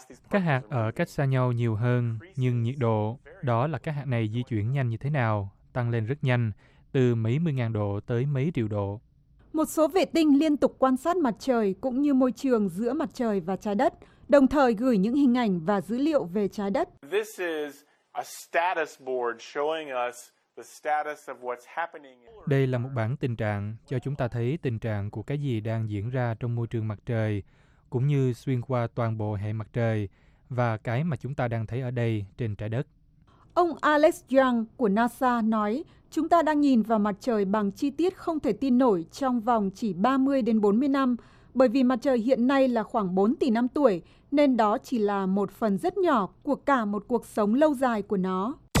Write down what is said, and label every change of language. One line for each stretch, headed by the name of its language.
Vietnamese: Các hạt ở cách xa nhau nhiều hơn, nhưng nhiệt độ, đó là các hạt này di chuyển nhanh như thế nào, tăng lên rất nhanh, từ mấy mươi ngàn độ tới mấy triệu độ. Một số vệ tinh liên tục quan sát mặt trời cũng như môi trường giữa mặt trời và trái đất, đồng thời gửi những hình ảnh và dữ liệu về trái đất.
English: This is a status board showing us the status of what's happening.
Vietnamese: Đây là một bảng tình trạng cho chúng ta thấy tình trạng của cái gì đang diễn ra trong môi trường mặt trời, cũng như xuyên qua toàn bộ hệ mặt trời và cái mà chúng ta đang thấy ở đây trên trái đất. Ông Alex Young của NASA nói, chúng ta đang nhìn vào mặt trời bằng chi tiết không thể tin nổi trong vòng chỉ 30 đến 40 năm, bởi vì mặt trời hiện nay là khoảng 4 tỷ năm tuổi, nên đó chỉ là một phần rất nhỏ của cả một cuộc sống lâu dài của nó.